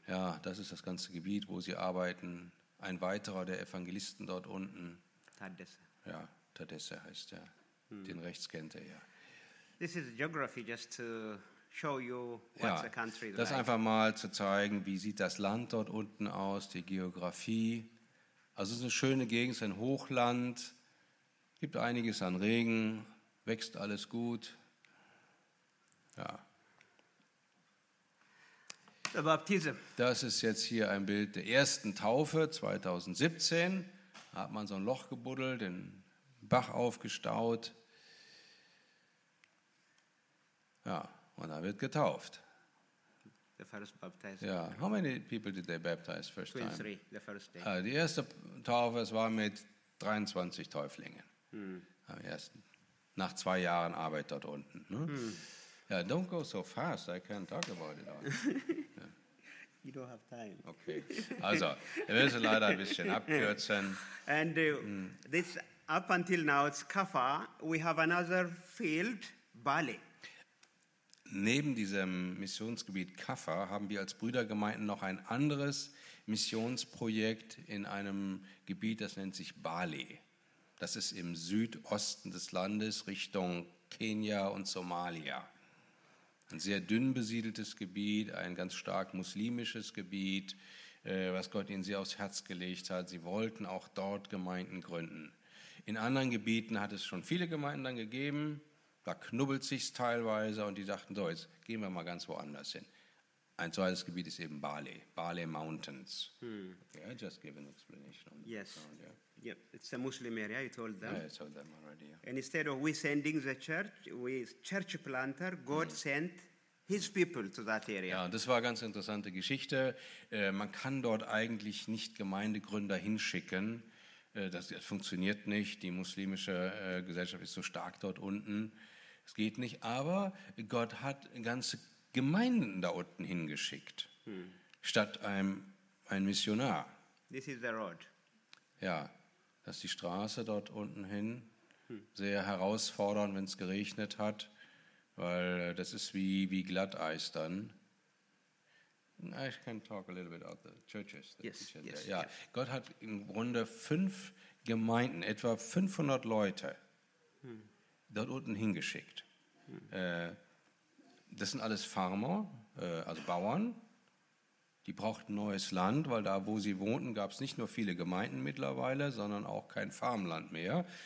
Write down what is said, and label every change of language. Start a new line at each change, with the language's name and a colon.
German: Ja, das ist das ganze Gebiet, wo sie arbeiten. Ein weiterer der Evangelisten dort unten. Tadesse. Ja, Tadesse heißt er. Den rechts kennt er ja.
English: This is geography just to show you what
German: ja,
English: the country is
German: das
English: like.
German: Einfach mal zu zeigen, wie sieht das Land dort unten aus, die Geografie. Also es ist eine schöne Gegend, es ist ein Hochland, gibt einiges an Regen, wächst alles gut. Ja.
English: The baptism.
German: Das ist jetzt hier ein Bild der ersten Taufe 2017. Hat man so ein Loch gebuddelt, den Bach aufgestaut. Ja, und dann wird getauft.
English: The first baptized. Ja, how many people did they baptize first time? Three, the first day.
German: Die erste Taufe, es war mit 23 Täuflinge. Hm. Am ersten. Nach 2 Jahren Arbeit dort unten. Ne? Hm.
English: Yeah, don't go so fast, I can't talk about it all. Yeah. You don't have time. Okay.
German: Also, wir müssen leider ein bisschen abkürzen.
English: And this up until now it's Kaffa. We have another field, Bali.
German: Neben diesem Missionsgebiet Kaffa haben wir als Brüdergemeinden noch ein anderes Missionsprojekt in einem Gebiet, das nennt sich Bali. Das ist im Südosten des Landes Richtung Kenia und Somalia. Ein sehr dünn besiedeltes Gebiet, ein ganz stark muslimisches Gebiet, was Gott ihnen sehr aufs Herz gelegt hat. Sie wollten auch dort Gemeinden gründen. In anderen Gebieten hat es schon viele Gemeinden dann gegeben. Da knubbelt sich's teilweise und die dachten, so, jetzt gehen wir mal ganz woanders hin. Ein zweites Gebiet ist eben Bali, Bali Mountains. Hmm.
English: Yeah, I just gave an explanation. On yes. The ground, yeah. Yeah, it's a Muslim area, you told them. Yeah, I told them already. Yeah. And instead of we sending the church, we church planter, God sent his people to that area.
German: Ja, das war eine ganz interessante Geschichte. Man kann dort eigentlich nicht Gemeindegründer hinschicken. Das funktioniert nicht. Die muslimische Gesellschaft ist so stark dort unten. Es geht nicht. Aber Gott hat ganze Gemeinden da unten hingeschickt, statt ein Missionar.
English: This is the road.
German: Ja, das ist die Straße dort unten hin. Sehr herausfordernd, wenn es geregnet hat, weil das ist wie Glatteis dann.
English: I can talk a little bit about the churches. Yes.
German: Gott hat im Grunde 5 Gemeinden, etwa 500 Leute dort unten hingeschickt. Das sind alles Farmer, also Bauern. Die brauchten neues Land, weil da, wo sie wohnten, gab es nicht nur viele Gemeinden mittlerweile, sondern auch kein Farmland mehr.